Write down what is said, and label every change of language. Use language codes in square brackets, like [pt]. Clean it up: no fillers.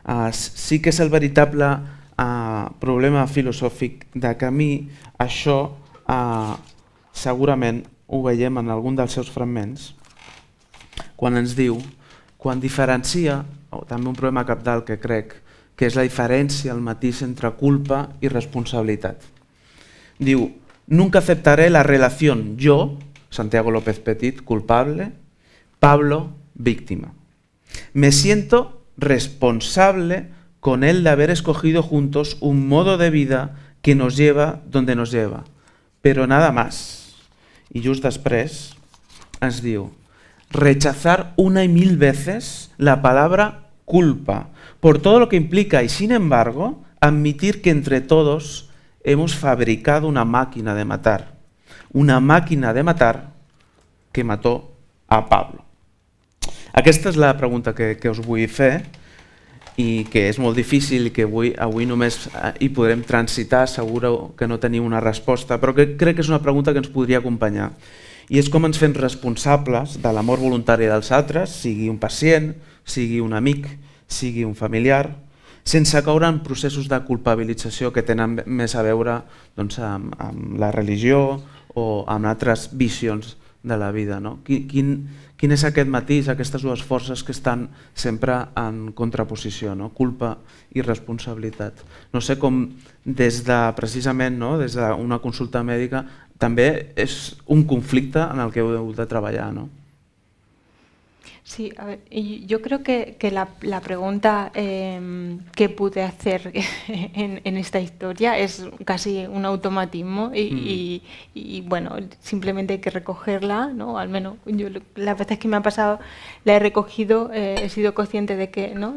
[ca] Sí que és el veritable problema filosòfic de Camus, això segurament ho veiem en algun dels seus fragments, quan ens diu, quan diferencia, o també un problema capdalt que crec, que és la diferència, el matís entre culpa i responsabilitat. Diu, [es] nunca aceptaré la relación yo, Santiago López Petit, culpable, Pablo, víctima. Me siento responsable con él de haber escogido juntos un modo de vida que nos lleva donde nos lleva, pero nada más. [ca] Y just després ens diu, [es] rechazar una y mil veces la palabra culpa por todo lo que implica y sin embargo admitir que entre todos hemos fabricado una máquina de matar, una máquina de matar que mató a Pablo. [ca] Aquesta és la pregunta que us vull fer i que és molt difícil i que avui només hi podrem transitar, segur que no tenim una resposta, però que crec que és una pregunta que ens podria acompanyar. I és com ens fem responsables de la mort voluntària dels altres, sigui un pacient, sigui un amic, sigui un familiar, sense caure en processos de culpabilització que tenen més a veure doncs, amb la religió o amb altres visions de la vida. No? Quin és aquest matís, aquestes dues forces que estan sempre en contraposició, no? Culpa i responsabilitat. No sé com des de precisament, no? Des d'una consulta mèdica, també és un conflicte en el que heu de treballar, no? [es] Sí, a ver, yo creo que la pregunta que pude hacer en esta historia es casi un automatismo y bueno, simplemente hay que recogerla, ¿no? Al menos yo las veces que me ha pasado la he recogido, he sido consciente de que, ¿no?